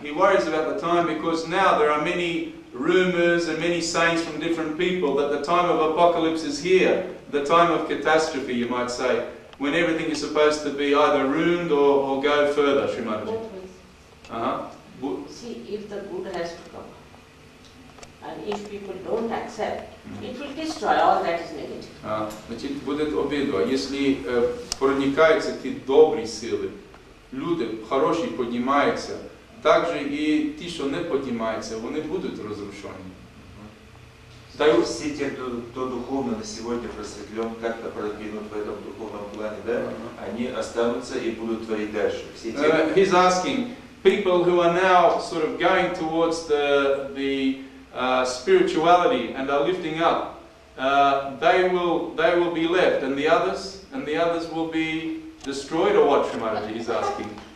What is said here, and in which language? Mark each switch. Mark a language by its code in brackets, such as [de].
[en] He worries about the time because now there are many rumors and many sayings from different people that the time of apocalypse is here, the time of catastrophe, you might say, when everything is supposed to be either ruined or go further, Sri Maharaj. See, if the good has to come, and if people don't accept, it will destroy all that is negative. [ru] Значит, будет обидва. Если проникаются эти добрые силы, люди хорошие поднимаются, также и те, что не поднимаются, они будут разрушены. Даю все те, кто духовно на сегодня просветлен, как-то продвинут в этом духовном плане, да? Они останутся и будут творить дальше. Все те, [en] he's asking people who are now sort of going towards the spirituality and are lifting up, they will be left, and the others will be destroyed, or what, Shri Maharaj, he's asking.